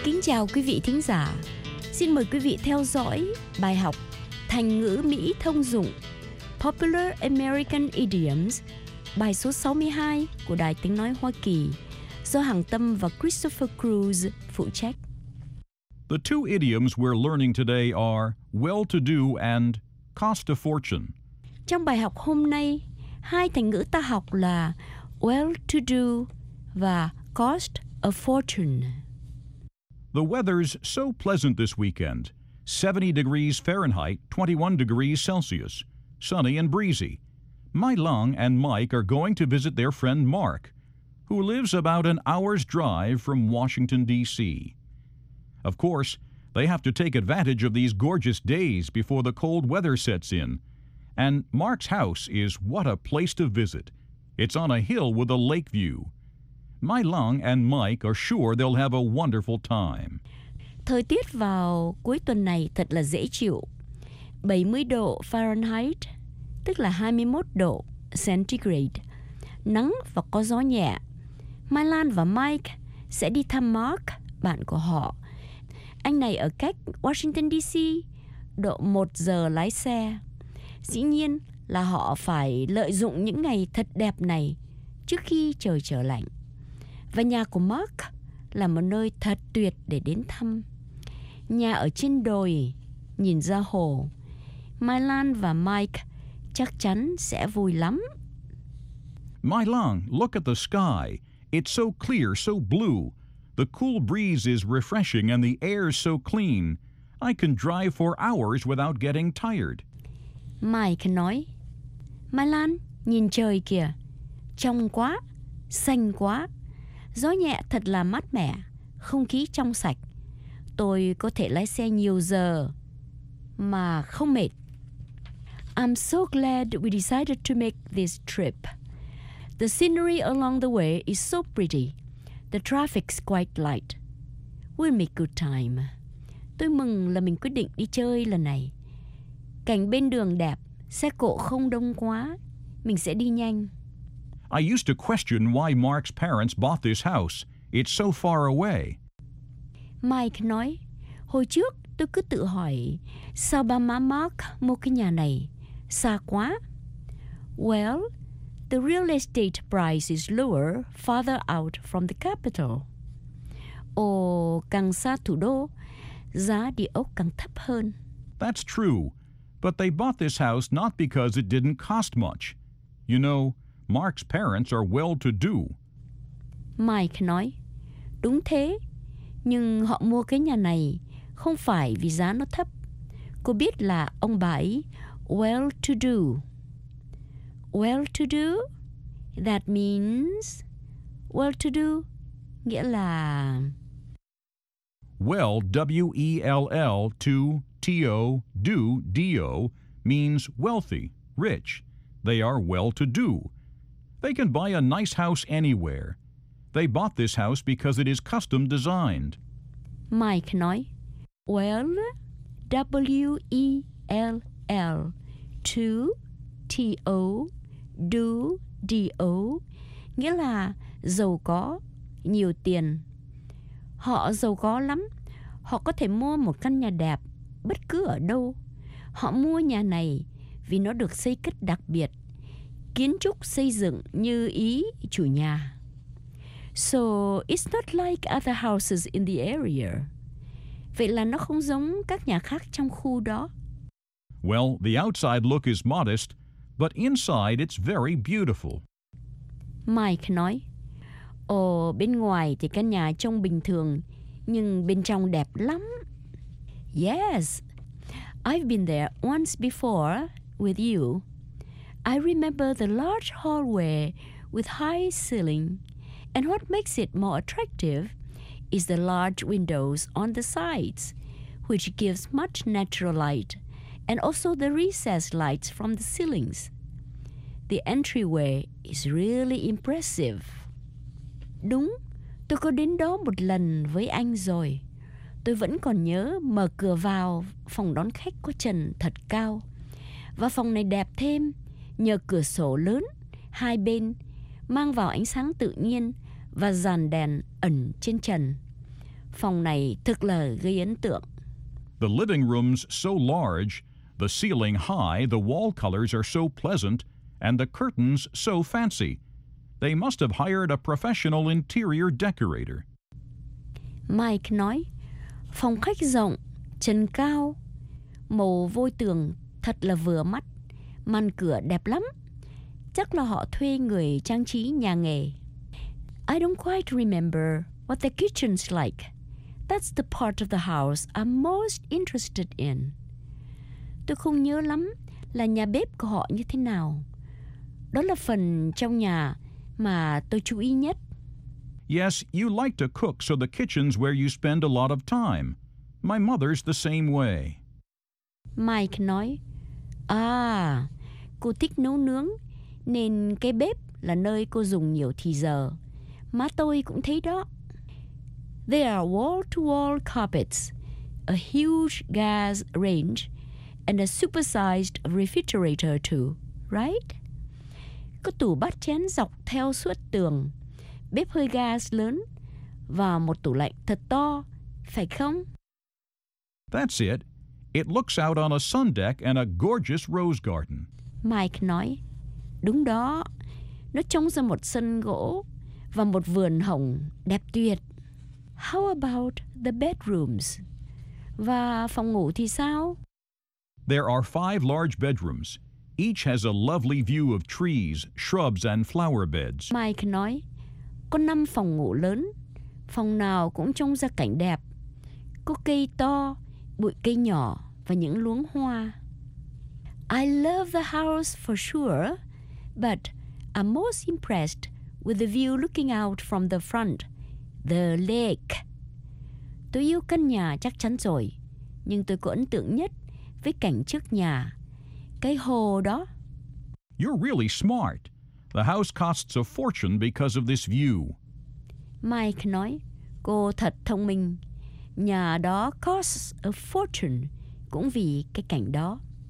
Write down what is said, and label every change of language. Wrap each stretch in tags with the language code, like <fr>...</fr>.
<vi>Chào quý vị thính giả. Xin mời quý vị theo dõi bài học Thành ngữ Mỹ thông dụng</vi> <en>Popular American Idioms,</en> <vi>bài số 62 của Đài Tiếng Nói Hoa Kỳ do Hằng Tâm và Christopher Cruz phụ trách.</vi> <en>The two idioms we're learning today are well-to-do and cost a fortune.</en> <vi>Trong bài học hôm nay, hai thành ngữ ta học là</vi> <en>well-to-do</en> <vi>và</vi> <en>cost a fortune. The weather's so pleasant this weekend. 70 degrees Fahrenheit, 21 degrees Celsius. Sunny and breezy. Mai Lung and Mike are going to visit their friend Mark, who lives about an hour's drive from Washington, D.C. Of course, they have to take advantage of these gorgeous days before the cold weather sets in. And Mark's house is what a place to visit. It's on a hill with a lake view. Mai Lung and Mike are sure they'll have a wonderful time.</en> <vi>Thời tiết vào cuối tuần này thật là dễ chịu. 70 độ Fahrenheit, tức là 21 độ Centigrade. Nắng và có gió nhẹ. Mai Lan và Mike sẽ đi thăm Mark, bạn của họ. Anh này ở cách Washington DC, độ 1 giờ lái xe. Dĩ nhiên là họ phải lợi dụng những ngày thật đẹp này trước khi trời trở lạnh. Và nhà của Mark là một nơi thật tuyệt để đến thăm. Nhà ở trên đồi, nhìn ra hồ. Mai Lan và Mike chắc chắn sẽ vui lắm.</vi> <en>Mai Lan, look at the sky. It's so clear, so blue. The cool breeze is refreshing and the air is so clean. I can drive for hours without getting tired.</en> <vi>Mike nói, Mai Lan, nhìn trời kìa. Trong quá, xanh quá. Gió nhẹ thật là mát mẻ, không khí trong sạch. Tôi có thể lái xe nhiều giờ mà không mệt.</vi> <en>I'm so glad we decided to make this trip. The scenery along the way is so pretty. The traffic's quite light. We'll make good time.</en> <vi>Tôi mừng là mình quyết định đi chơi lần này. Cảnh bên đường đẹp, xe cộ không đông quá. Mình sẽ đi nhanh.</vi> <en>I used to question why Mark's parents bought this house. It's so far away.</en> <vi>Mike nói, hồi trước tôi cứ tự hỏi, sao ba má Mark mua cái nhà này? Xa quá.</vi> <en>Well, the real estate price is lower farther out from the capital.</en> <vi>Ồ, càng xa thủ đô, giá địa ốc càng thấp hơn.</vi> <en>That's true. But they bought this house not because it didn't cost much. You know, Mark's parents are well-to-do.</en> <vi>Mike nói, đúng thế. Nhưng họ mua cái nhà này không phải vì giá nó thấp. Cô biết là ông bà ấy well-to-do.</vi> <en>Well-to-do, that means well-to-do,</en> <vi>nghĩa là</vi> <en>well, W-E-L-L, to, T-O, do, D-O, means wealthy, rich. They are well-to-do. They can buy a nice house anywhere. They bought this house because it is custom designed.</en> <vi>Mike nói,</vi> <en>well, W-E-L-L, to, T-O, do, D-O,</en> <vi>nghĩa là giàu có, nhiều tiền. Họ giàu có lắm. Họ có thể mua một căn nhà đẹp bất cứ ở đâu. Họ mua nhà này vì nó được xây cất đặc biệt. Kiến trúc xây dựng như ý chủ nhà.</vi> <en>So, it's not like other houses in the area.</en> <vi>Vậy là nó không giống các nhà khác trong khu đó.</vi> <en>Well, the outside look is modest, but inside it's very beautiful.</en> <vi>Mike nói, ồ, bên ngoài thì căn nhà trông bình thường, nhưng bên trong đẹp lắm.</vi> <en>Yes, I've been there once before with you. I remember the large hallway with high ceiling. And what makes it more attractive is the large windows on the sides, which gives much natural light, and also the recessed lights from the ceilings. The entryway is really impressive.</en> <vi>Đúng, tôi có đến đó một lần với anh rồi. Tôi vẫn còn nhớ mở cửa vào phòng đón khách có trần thật cao. Và phòng này đẹp thêm nhờ cửa sổ lớn hai bên mang vào ánh sáng tự nhiên và dàn đèn ẩn trên trần. Phòng này thực là gây ấn tượng.</vi> <en>The living room's so large, the ceiling high, the wall colors are so pleasant, and the curtains so fancy. They must have hired a professional interior decorator.</en> <vi>Mike nói, phòng khách rộng, trần cao, màu vôi tường thật là vừa mắt, màn cửa đẹp lắm. Chắc là họ thuê người trang trí nhà nghề.</vi> <en>I don't quite remember what the kitchen's like. That's the part of the house I'm most interested in.</en> <vi>Tôi không nhớ lắm là nhà bếp của họ như thế nào. Đó là phần trong nhà mà tôi chú ý nhất.</vi> <en>Yes, you like to cook, so the kitchen's where you spend a lot of time. My mother's the same way.</en> <vi>Mike nói, cô thích nấu nướng, nên cái bếp là nơi cô dùng nhiều thì giờ. Má tôi cũng thấy đó.</vi> <en>There are wall-to-wall carpets, a huge gas range, and a supersized refrigerator too, right?</en> <vi>Có tủ bát chén dọc theo suốt tường, bếp hơi gas lớn, và một tủ lạnh thật to, phải không?</vi> <en>That's it. It looks out on a sun deck and a gorgeous rose garden.</en> <vi>Mike nói, đúng đó, nó trông ra một sân gỗ và một vườn hồng đẹp tuyệt.</vi> <en>How about the bedrooms?</en> <vi>Và phòng ngủ thì sao?</vi> <en>There are 5 large bedrooms. Each has a lovely view of trees, shrubs, and flower beds.</en> <vi>Mike nói, có 5 phòng ngủ lớn. Phòng nào cũng trông ra cảnh đẹp. Có cây to, bụi cây nhỏ và những luống hoa.</vi> <en>I love the house for sure, but I'm most impressed with the view looking out from the front, the lake.</en> <vi>Tôi yêu căn nhà chắc chắn rồi, nhưng tôi có ấn tượng nhất với cảnh trước nhà, cái hồ đó.</vi> <en>You're really smart. The house costs a fortune because of this view.</en> <vi>Mike nói, cô thật thông minh. Nhà đó</vi> <en>costs a fortune,</en> <vi>cũng vì cái cảnh đó.</vi>